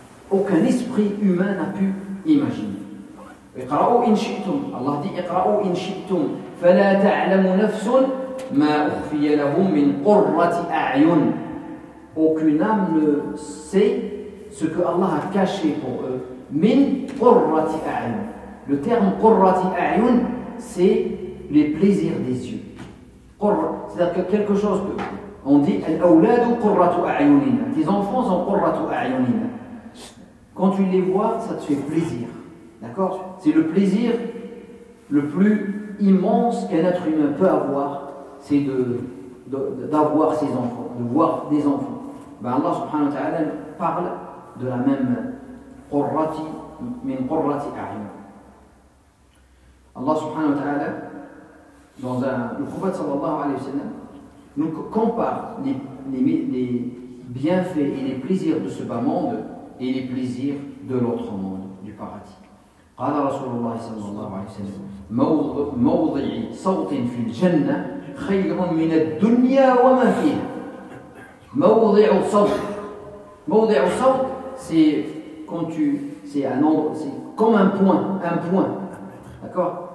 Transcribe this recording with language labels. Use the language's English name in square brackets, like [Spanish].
[French] Aucun esprit humain n'a pu imaginer. [Arabic] اقرأوا إن شئتم الله دي اقرأوا إن شئتم فلا تعلم نفس ما أخفي لهم من قرة أعين. [French] Aucune âme ne sait ce que Allah a caché pour eux. [Arabic] من قرة أعين. [French] Le terme [Arabic] قرة أعين, [French] c'est les plaisirs des yeux. قرة, c'est-à-dire que quelque chose que on dit [Arabic] الأولاد قرة أعيننا. [French] Tes enfants sont [Arabic] قرة أعيننا. [French] Quand tu les vois, ça te fait plaisir. D'accord ? C'est le plaisir le plus immense qu'un être humain peut avoir, c'est d'avoir ses enfants, de voir des enfants. Ben Allah subhanahu wa ta'ala parle de la même qurrati, [Arabic] min qurrati a'yun. [French] Allah subhanahu wa ta'ala, dans le prophète sallallahu alayhi wa sallam, nous compare les bienfaits et les plaisirs de ce bas monde et les plaisirs de l'autre monde, du paradis. [Arabic] قال رسول الله صلى الله عليه وسلم موضع صوت في الجنة خير من الدنيا وما فيها. موضع صوت, موضع صوت [French] c'est quand tu c'est un endroit, c'est comme un point, d'accord.